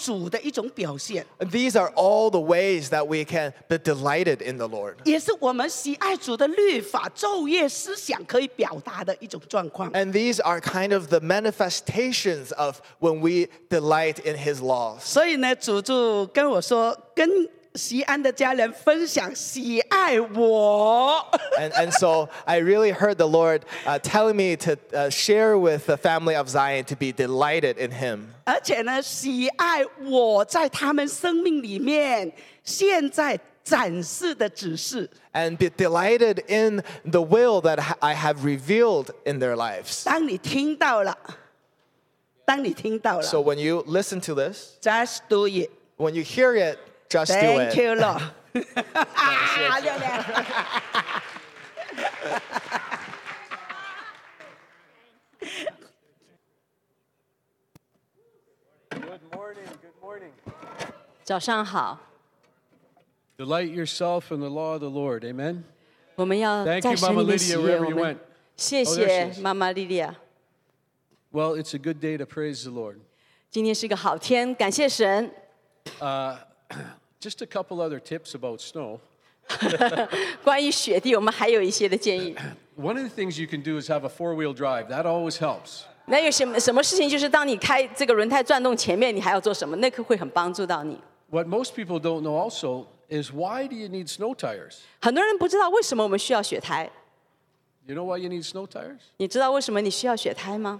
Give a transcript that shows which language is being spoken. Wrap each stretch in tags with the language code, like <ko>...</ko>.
<en>These are all the ways that we can be delighted in the Lord. And these are kind of the manifestations of when we delight in his law.</en> <zh>所以呢,主就跟我说, 跟西安的家人分享喜爱我</zh> <en>and so I really heard the Lord telling me to share with the family of Zion to be delighted in him.</en> <zh>而且呢,喜爱我在他们生命里面现在展示的指示</zh> <en>and be delighted in the will that I have revealed in their lives.</en> <zh>当你听到了,</zh> <en>so when you listen to this, just do it. When you hear it, just thank do it. Thank you, Lord. Ah, good morning. Good morning.</en> <zh>早上好.</zh> <en>Delight yourself in the law of the Lord. Amen.</en> <zh>我们要在神里面喜悦,</zh> <en>thank you, Mama Lydia, wherever you went.</en> <zh>谢谢, oh, Mama Lydia.</zh> <en>Well, it's a good day to praise the Lord.</en> <zh>今天是个好天, 感谢神.</zh> <en>Just a couple other tips about snow.</en> <zh>关于雪地,</zh> <en>one of the things you can do is have a four-wheel drive. That always helps.</en> <zh>那有什么事情就是当你开这个轮胎转动前面你还要做什么那个会很帮助到你</zh> <en>What most people don't know also is why do you need snow tires?</en> <zh>很多人不知道为什么我们需要雪胎</zh> <en>You know why you need snow tires?</en> <zh>你知道为什么你需要雪胎吗?</zh>